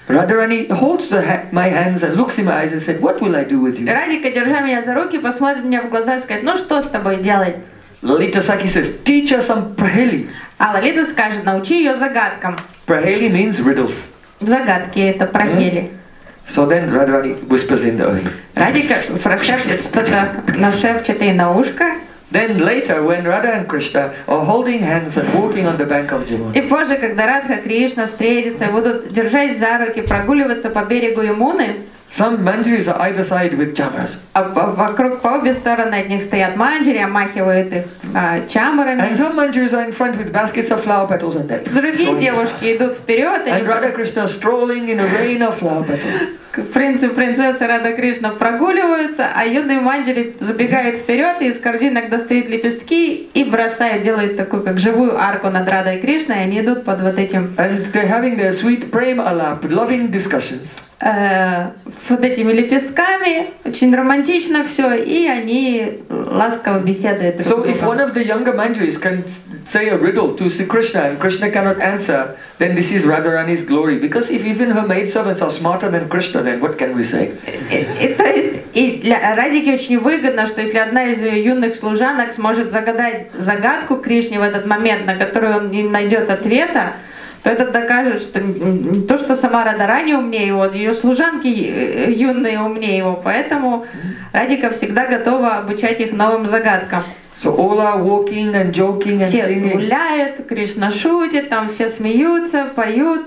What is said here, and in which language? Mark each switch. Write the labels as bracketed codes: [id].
[en] Радхарани holds my hands and looks in my eyes and said, what will I do with you? [ru] Радхика, держа меня за руки, посмотрит меня в глаза и скажет, ну что с тобой делать? [en] Лалита Сакхи says, teach her some Прахели. [ru] А Лалита скажет, научи ее загадкам. [en] Прахели means riddles. [ru] Загадки это Прахели. [en] So then Radharani whispers in the ear. [ru] Radhika прошепчет что-то на шепчете на ушко. [en] Then later, when Radha and Krishna are holding hands and walking on the bank of Yamuna. [ru] И позже, когда Радха и Кришна встретятся, будут держась за руки, прогуливаться по берегу Ямуны. [en] Some manjaris are either side with chamaras. [ru] А вокруг по обе стороны от них стоят манджари, махивают их чамарами. [en] And some manjaris are in front with baskets of flower petals and they're strolling. [ru] Другие девушки идут вперед. [en] And Radha Krishna strolling in a rain of flower petals. [ru] Принц и принцесса Радха Кришна прогуливаются, а юные манджари забегают вперед и из корзинок достают лепестки и бросают, делают такую как живую арку над Радхой Кришной, и они идут под вот этим. [en] And they're having their sweet prema alap, loving discussions. [ru] Под этими лепестками очень романтично все, и они ласково беседуют. [en] So if one of the younger manjaris can say a riddle to Sri Krishna and Krishna cannot answer, then this is Radharani's glory, because if even her maidservants are smarter than Krishna. [ru] То есть и для Радхики очень выгодно, что если одна из ее юных служанок сможет загадать загадку Кришне в этот момент, на которую он не найдет ответа, то это докажет, что не то, что сама Радхарани умнее его, ее служанки юные умнее его, поэтому Радхика всегда готова обучать их новым загадкам. [en] So all are walking and joking and singing. [ru] Все гуляют, Кришна шутит, там все смеются, поют.